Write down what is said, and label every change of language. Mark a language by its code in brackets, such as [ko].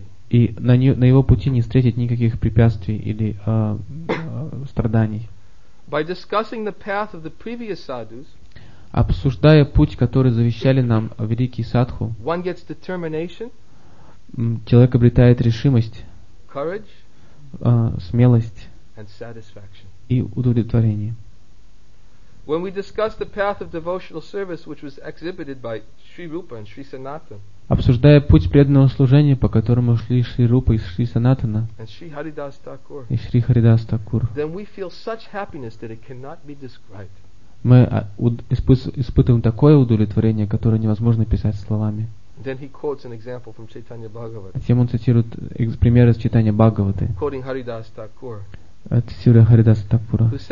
[ru] И на его пути не встретить никаких препятствий или страданий. [en] By discussing the path of the previous sadhus, [ru] обсуждая путь, который завещали нам великие садху, [en] one gets determination, [ru] человек обретает решимость, [en] courage, [ru] смелость [en] and satisfaction. [ru] И удовлетворение. [en] When we discuss the path of devotional service, which was exhibited by Sri Rupa and Sri Sanatana, [ru] обсуждая путь преданного служения, по которому шли Шри Рупа и Шри Санатана и Шри Харидас Такур, [en] then we feel such happiness that it cannot be described. [ru] Мы испытываем такое удовлетворение, которое невозможно писать словами. Затем он цитирует пример из Чайтанья Бхагаваты. Цитируя Харидаса Такура.